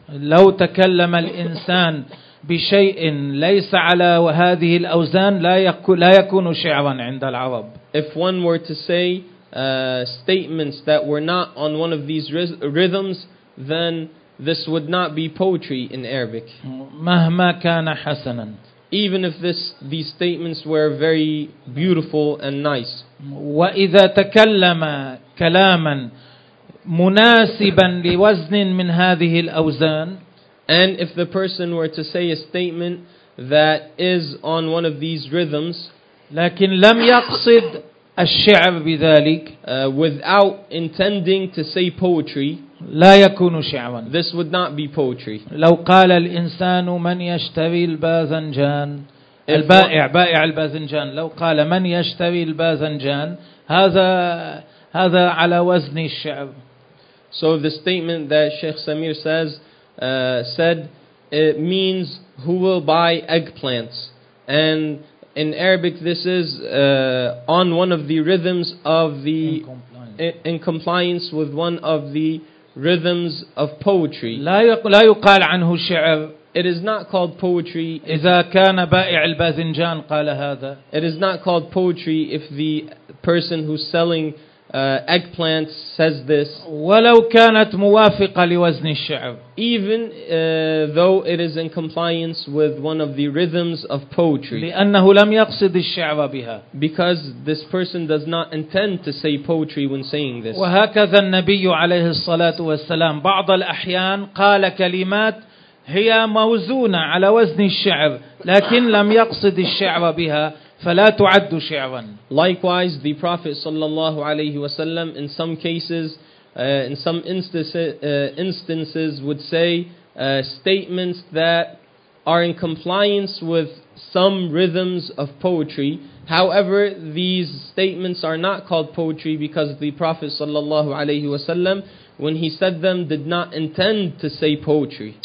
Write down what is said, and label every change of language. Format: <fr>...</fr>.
<ar>لو تكلم الإنسان بشيء ليس على هذه الأوزان لا يكون شعرا عند العرب.</ar> <en>If one were to say statements that were not on one of these rhythms, then this would not be poetry in Arabic.</en> <ar>مهما كان حسنا.</ar> <en>Even if these statements were very beautiful and nice.</en> <ar>وإذا تكلم كلاما مناسبا لوزن من هذه الأوزان.</ar> <en>And if the person were to say a statement that is on one of these rhythms,</en> <ar>لكن لم يقصد الشعر بذلك,</ar> <en>without intending to say poetry,</en> <ar>لا يكون شعرا.</ar> <en>This would not be poetry.</en> <ar>لو قال الإنسان من يشتري الباذنجان, البائع بائع الباذنجان, لو قال من يشتري الباذنجان, هذا على وزن الشعر.</ar> <en>So the statement that Sheikh Samir says, said, it means who will buy eggplants. And in Arabic, this is on one of the rhythms of the... In compliance with one of the rhythms of poetry.</en> <ar>لا يقال عنه شعر.</ar> <en>It is not called poetry.</en> <ar>إذا كان بائع الباذنجان قال هذا.</ar> <en>It is not called poetry if the person who's selling eggplants says this.</en> <ar>ولو كانت موافقة لوزن الشعر.</ar> <en>Even though it is in compliance with one of the rhythms of poetry.</en> <ar>لأنه لم يقصد الشعر بها.</ar> <en>Because this person does not intend to say poetry when saying this.</en> <ar>وهكذا النبي عليه الصلاة والسلام بعض الأحيان قال كلمات هي موزونة على وزن الشعر لكن لم يقصد الشعر بها فلا تعد شعرا.</ar> <en>Likewise, the Prophet</en> <ar>صلى الله عليه وسلم</ar> <en>in some cases, in some instances would say statements that are in compliance with some rhythms of poetry. However, these statements are not called poetry because the Prophet</en> <ar>صلى الله عليه وسلم,</ar> <en>when he said them, did not intend to say poetry.</en>